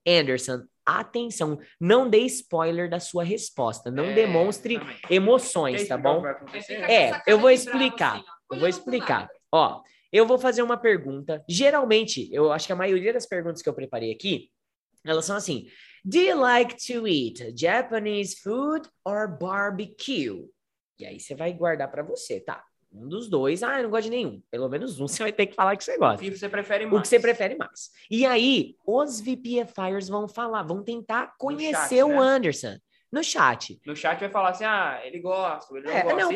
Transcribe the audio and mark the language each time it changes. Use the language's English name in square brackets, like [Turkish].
[Portuguese] Anderson, atenção, não dê spoiler da sua resposta. Não demonstre também emoções, tá bom? Eu vou explicar. Eu vou explicar. Ó, eu vou fazer uma pergunta. Geralmente, eu acho que a maioria das perguntas que eu preparei aqui, elas são assim. [English] Do you like to eat Japanese food or barbecue? [Portuguese] E aí você vai guardar pra você, tá? Um dos dois. Ah, eu não gosto de nenhum. Pelo menos um você vai ter que falar que você gosta. O que você prefere mais. O que você prefere mais. E aí, os VPFires vão falar, vão tentar conhecer no chat, o Anderson. No chat. No chat vai falar assim, ah, ele gosta, ele não gosta.